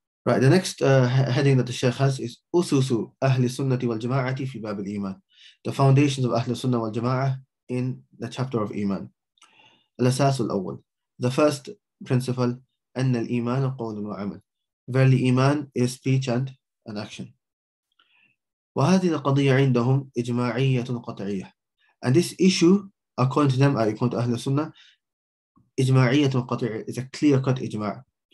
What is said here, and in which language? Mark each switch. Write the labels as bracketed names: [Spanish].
[English] Right, the next heading that the Sheikh has is [Arabic] Ususu Ahli Sunnati wal Jama'ati fi Bab al Iman. [English] The foundations of Ahli Sunnah wal Jama'ah in the chapter of Iman. [Arabic] Al Asas al Awwal. [English] The first principle, [Arabic] Anna al Iman al Qawl wa Amal. [English] Verily, Iman is speech and an action. [Arabic] وهذه القضية عندهم إجماعية قطعية. [English] And this issue, according to them, according to Ahl al-Sunnah, [Arabic] إجماعية قطعية [English] is a clear-cut إجماع.